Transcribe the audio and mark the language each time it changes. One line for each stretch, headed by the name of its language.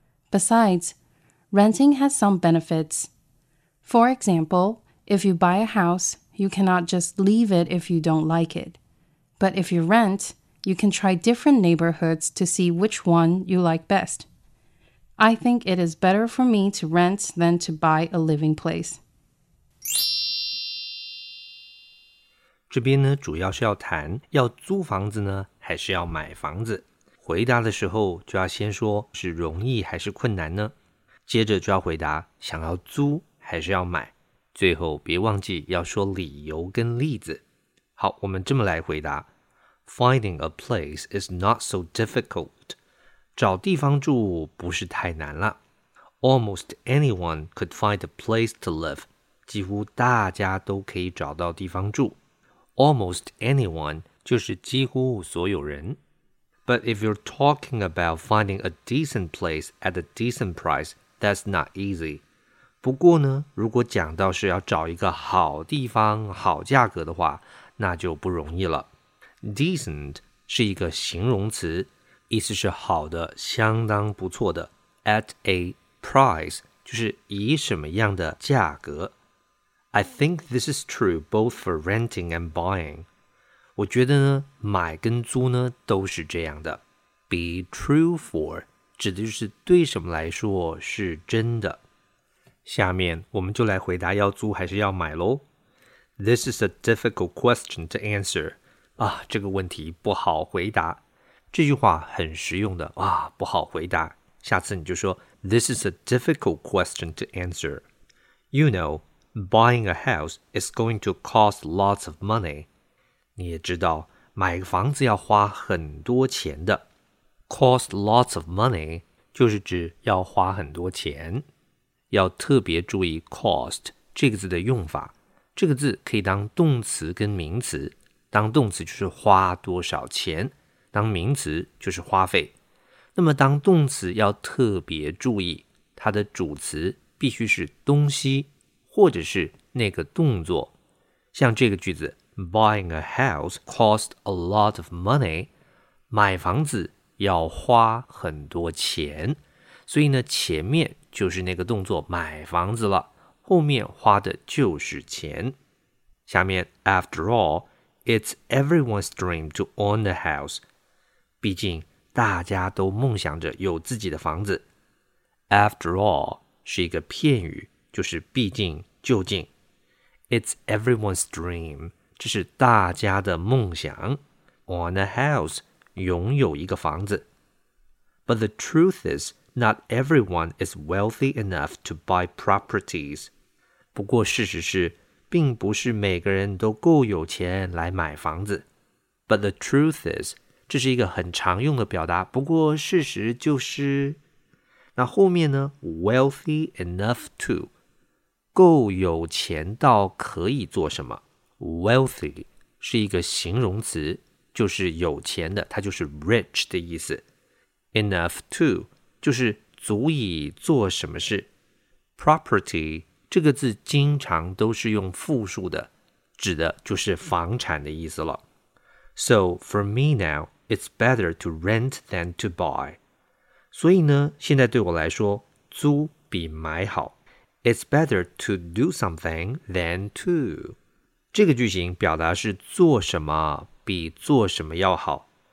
English: Besides, renting has some benefits. For example, if you buy a house, you cannot just leave it if you don't like it. But if you rent, you can try different neighborhoods to see which one you like best. I think it is better for me to rent than to buy a living place.
Chinese: 这边呢，主要是要谈要租房子呢，还是要买房子。回答的时候就要先说是容易还是困难呢？接着就要回答想要租。还是要买，最后别忘记要说理由跟例子。好，我们这么来回答
English: Finding a place is not so difficult.
Chinese: 找地方住不是太难了。
English: Almost anyone could find a place to live.
Chinese: 几乎大家都可以找到地方住。 Almost anyone 就是几乎所有人。
English: But if you're talking about finding a decent place at a decent price, that's not easy.
Chinese: 不过呢，如果讲到是要找一个好地方、好价格的话，那就不容易了。 Decent 是一个形容词，意思是好的、相当不错的。 At a price 就是以什么样的价格。
English: I think this is true both for renting and buying.
Chinese: 我觉得呢，买跟租呢都是这样的。 Be true for 指的就是对什么来说是真的。下面我们就来回答要租还是要买咯。
English: This is a difficult question to answer.
Chinese: 啊，这个问题不好回答。这句话很实用的，啊，不好回答。下次你就说
English: This is a difficult question to answer. You know, buying a house is going to cost lots of money.
Chinese: 你也知道，买个房子要花很多钱的。 Cost lots of money 就是指要花很多钱。要特别注意 cost 这个字的用法。这个字可以当动词跟名词。当动词就是花多少钱，当名词就是花费。那么当动词要特别注意，它的主词必须是东西或者是那个动作。像这个句子
English: ,buying a house cost a lot of money,
Chinese: 买房子要花很多钱。所以呢，前面就是那个动作买房子了，后面花的就是钱。下面
English: ,after all, it's everyone's dream to own a house.
Chinese: 毕竟大家都梦想着有自己的房子。 After all, 是一个片语，就是毕竟究竟。 It's everyone's dream, 这是大家的梦想。 Own a house, 拥有一个房子。
English: But the truth is,Not everyone is wealthy enough to buy properties.
Chinese: 不过事实是, 并不是每个人都够有钱来买房子。
English: But the truth is,
Chinese: 这是一个很常用的表达，不过事实就是，那后面呢 ,wealthy enough to, 够有钱到可以做什么。 Wealthy 是一个形容词，就是有钱的，它就是 rich 的意思。 Enough to, 就是足以做什么事。 Property 这个字经常都是用复数的，指的就是房产的意思了。
English: So, for me now, it's better to rent than to buy.
Chinese: 所以呢，现在对我来说，租比买好。
English: It's better to do something than to.
Chinese: 这个句型表达是做什么比做什么要好。